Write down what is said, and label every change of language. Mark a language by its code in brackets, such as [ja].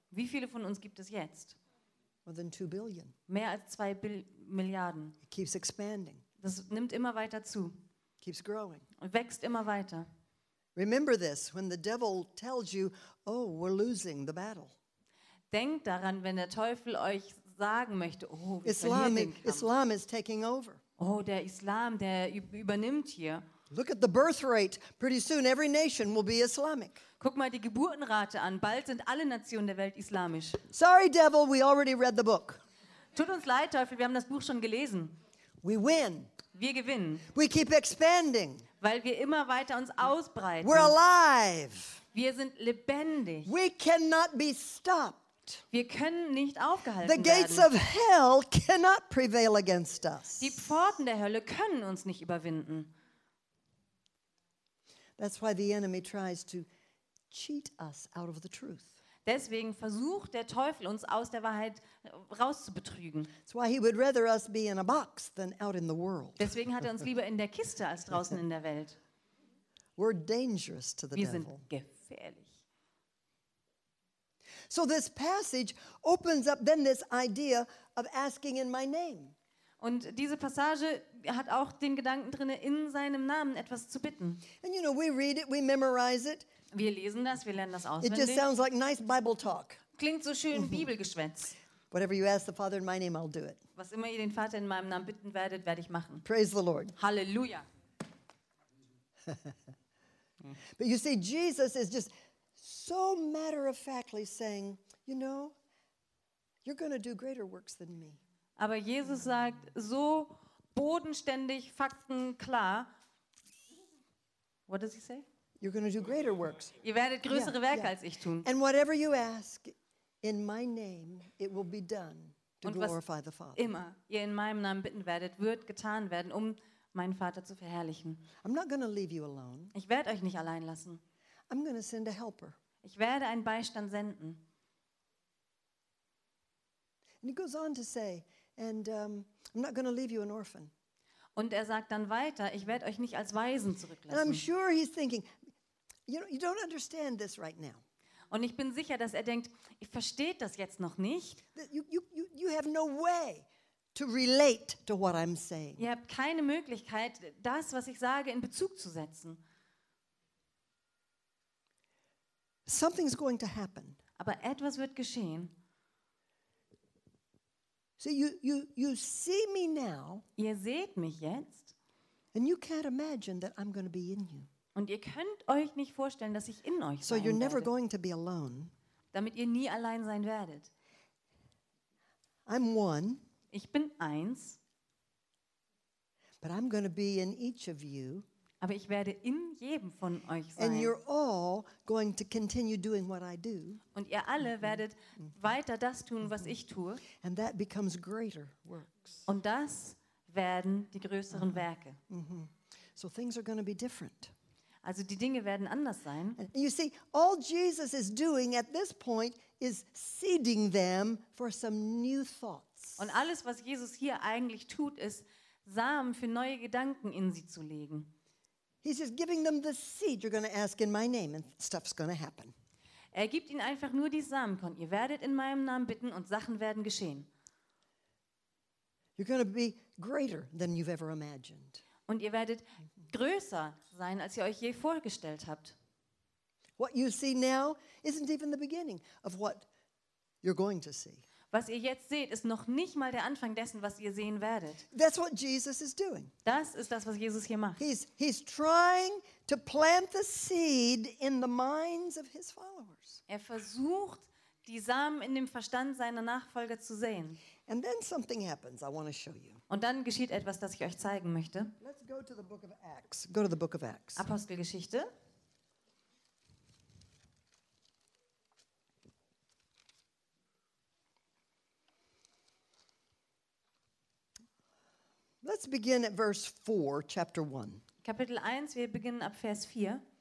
[de] Wie viele von uns gibt es jetzt? [en] More than 2 billion. [de] Mehr als 2 Milliarden. [en] It keeps expanding. [de] Das nimmt immer weiter zu. [en] Keeps growing. [de] Und wächst immer weiter. [en] Remember this when the devil tells you, oh, we're losing the battle. [de] Denkt daran, wenn der Teufel euch sagen möchte, oh, wir verlieren den Kampf. [en] Islam is taking over. [de] Oh, der Islam, der übernimmt hier. [en] Look at the birth rate. Pretty soon every nation will be Islamic. [de] Guck mal die Geburtenrate an. Bald sind alle Nationen der Welt islamisch. [en] Sorry devil, we already read the book. [de] Tut uns leid Teufel, wir haben das Buch schon gelesen. [en] We win. [de] Wir gewinnen. [en] We keep expanding. [de] Weil wir immer weiter uns ausbreiten. [en] We're alive. [de] Wir sind lebendig. [en] We cannot be stopped. [de] Wir können nicht aufgehalten werden. [en] The gates of hell cannot prevail against us. [de] Die Pforten der Hölle können uns nicht überwinden. [en] That's why the enemy tries to cheat us out of the truth. [de] Deswegen versucht der Teufel uns aus der Wahrheit rauszubetrügen. [en] That's why he would rather us be in a box than out in the world. [de] Deswegen hat er uns lieber in der Kiste als draußen in der Welt. [en] We're dangerous to the devil. [de] Wir sind gefährlich. [en] So this passage opens up then this idea of asking in my name. [de] Und diese Passage hat auch den Gedanken drin, in seinem Namen etwas zu bitten. [en] And you know, we read it, we memorize it. [de] Wir lesen das, wir lernen das auswendig. [en] It just sounds like nice Bible talk. [de] Klingt so schön Bibelgeschwätz. [en] Whatever you ask the Father in my name, I'll do it. [de] Was immer ihr den Vater in meinem Namen bitten werdet, werde ich machen. [en] Praise the Lord. [de] Halleluja. [en] But you see, Jesus is just so matter-of-factly saying, you know, you're going to do greater works than me. [de] Aber Jesus sagt so bodenständig, faktenklar. [en] What does he say? You're going to do greater works. [de] Ihr werdet größere Werke als ich tun. [en] And whatever you ask in my name, it will be done to glorify the Father. [de] Immer ihr in meinem Namen bitten werdet, wird getan werden, um meinen Vater zu verherrlichen. [en] I'm not going to leave you alone. [de] Ich werde euch nicht allein lassen. [en] I'm going to send a helper. [de] Ich werde einen Beistand senden. [en] And he goes on to say, and I'm not going to leave you an orphan. [de] Und er sagt dann weiter, ich werde euch nicht als Waisen zurücklassen. [en] And I'm sure he's thinking, you don't understand this right now. [de] Und ich bin sicher, dass er denkt, ich verstehe das jetzt noch nicht. [en] You have no way to relate to what I'm saying. [de] Ihr habt keine Möglichkeit, das, was ich sage, in Bezug zu setzen. [en] Something's going to happen. [de] Aber etwas wird geschehen. [en] So you see me now. [de] Ihr seht mich jetzt. [en] And you can't imagine that I'm going to be in you. [de] Und ihr könnt euch nicht vorstellen, dass ich in euch sein werde. [en] You're never going to be alone. [de] Damit ihr nie allein sein werdet. [en] I'm one. [de] Ich bin eins. [en] But I'm going to be in each of you. [de] Aber ich werde in jedem von euch sein. [en] And you're all going to continue doing what I do. [de] Und ihr alle werdet weiter das tun, was ich tue. [en] And that becomes greater works. [de] Und das werden die größeren Werke. Mm-hmm. [en] So things are going to be different. [de] Also die Dinge werden anders sein. [en] You see, all Jesus is doing at this point is seeding them for some new thoughts. [de] Und alles, was Jesus hier eigentlich tut, ist, Samen für neue Gedanken in sie zu legen. [en] He's just giving them the seed. You're going to ask in my name and stuff's going to happen. [de] Er gibt ihnen einfach nur die Samenkorn. Ihr werdet in meinem Namen bitten und Sachen werden geschehen. [en] You're going to be greater than you've ever imagined. [de] Und ihr werdet größer sein, als ihr euch je vorgestellt habt. [en] What you see now isn't even the beginning of what you're going to see. [de] Was ihr jetzt seht, ist noch nicht mal der Anfang dessen, was ihr sehen werdet. [en] That's what Jesus is doing. [de] Das ist das, was Jesus hier macht. [en] He's trying to plant the seed in the minds of his followers. [de] Er versucht, die Samen in dem Verstand seiner Nachfolger zu säen. [en] And then something happens, I want to show you. [de] Und dann geschieht etwas, das ich euch zeigen möchte. [en] Let's go to the book of Acts. Go to the book of Acts. [de] Apostelgeschichte. [en] Let's begin at verse 4, chapter 1. [de] Kapitel 1, wir beginnen ab Vers 4.